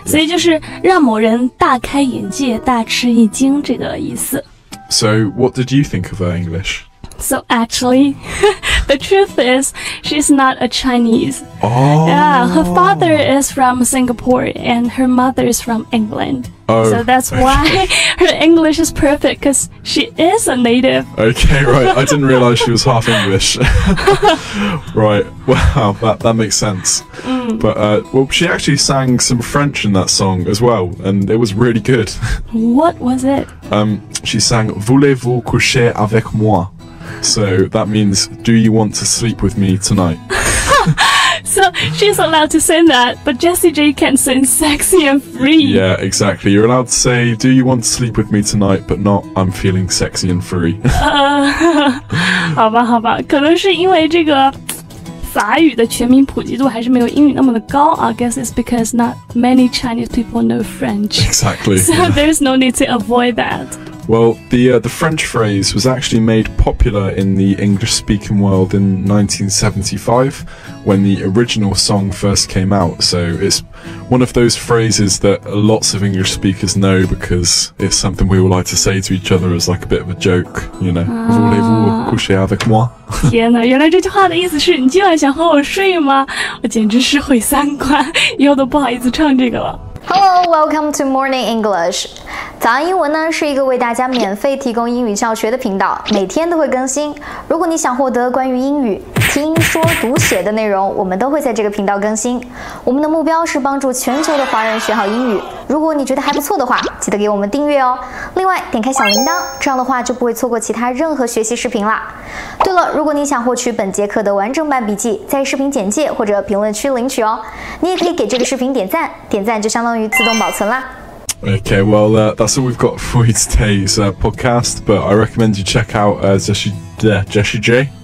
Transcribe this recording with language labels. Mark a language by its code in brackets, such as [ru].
[zh] 所以就是让某人大开眼界，大吃一惊这个意思。 [en] So what did you think of her English? So actually, the truth is, she's not a Chinese. Oh. Yeah, her father is from Singapore and her mother is from England. Oh, so that's why her English is perfect, because she is a native. Okay, right. I didn't realize she was half English. Right. Wow, that makes sense. But, well, she actually sang some French in that song as well, and it was really good. What was it? She sang, [fr] Voulez-vous coucher avec moi? [en] So that means, do you want to sleep with me tonight? So she's allowed to sing that, but Jessie J can sing sexy and free. Yeah, exactly. You're allowed to say, do you want to sleep with me tonight, but not, I'm feeling sexy and free. [zh] 好吧，可能是因为这个法语的全民普及度还是没有英语那么的高。 [en] I guess it's because not many Chinese people know French. Exactly. So there's no need to avoid that. Well, the French phrase was actually made popular in the English-speaking world in 1975, when the original song first came out. So it's one of those phrases that lots of English speakers know because it's something we all like to say to each other as like a bit of a joke, you know. [fr] Voulez-vous coucher avec moi? [zh] 天哪，原来这句话的意思是你今晚想和我睡吗？我简直是毁三观，以后都不好意思唱这个了。 [en] Hello, welcome to Morning English. [zh] 早安英文呢是一个为大家免费提供英语教学的频道，每天都会更新。如果你想获得关于英语听说读写的内容，我们都会在这个频道更新。我们的目标是帮助全球的华人学好英语。如果你觉得还不错的话，记得给我们订阅哦。另外，点开小铃铛，这样的话就不会错过其他任何学习视频啦。对了，如果你想获取本节课的完整版笔记，在视频简介或者评论区领取哦。你也可以给这个视频点赞，点赞就相当于自动保存啦。 [en] Okay, well, that's all we've got for you today's podcast, but I recommend you check out Jessie J.